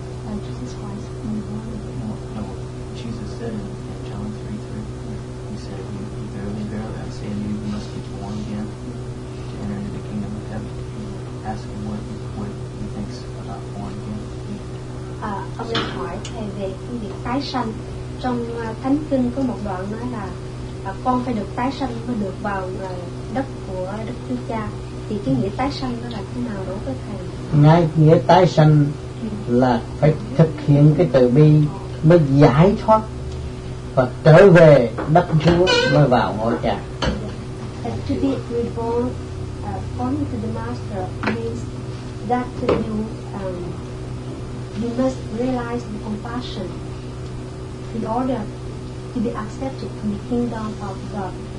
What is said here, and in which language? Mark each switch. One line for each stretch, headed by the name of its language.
English: Jesus Christ, when you're born again. No, no, Jesus said in John 3:3, he said, you verily, verily, I say to you, you must be born again to enter into the kingdom of heaven. Ask him what he thinks about born again.
Vietnamese: Ông ấy hỏi thầy về cái việc tái sanh. Trong Thánh Kinh có một đoạn nói là con phải được tái sanh và được vào đất của Đức Chúa Cha. Thì cái nghĩa tái sanh đó là thế nào đối với thầy? Nghĩa tái sanh là phải thực hiện cái từ bi mới giải thoát và trở về đất Chúa mới vào ngôi Cha.
English: To be reborn according to the Master means that you must realize the compassion in order to be accepted in the kingdom of God.